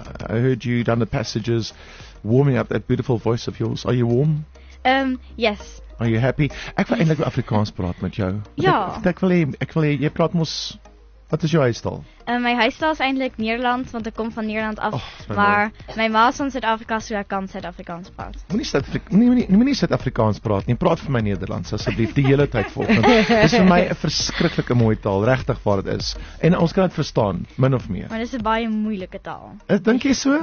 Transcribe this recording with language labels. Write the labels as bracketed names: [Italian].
[English] I heard you down the passages, warming up that beautiful voice of yours. Are you warm? Yes. Are you happy? [Afrikaans] Ek wil eintlik Afrikaans praat met jou. Ja. Ek wil jy praat mos, wat is jou huisstaal? My huisstaal is eintlik Nederland, want ek kom van Nederland af. My ma is van Suid-Afrika, so ek kan Suid-Afrikaans praat. Moenie Suid-Afrikaans praat nie, praat vir my Nederlands, asseblief, die hele tyd volgende. Dit is vir my 'n verskriklike mooi taal, regtig waar dit is. En ons kan dit verstaan, min of meer. Maar dit is 'n baie moeilike taal. Dink jy so?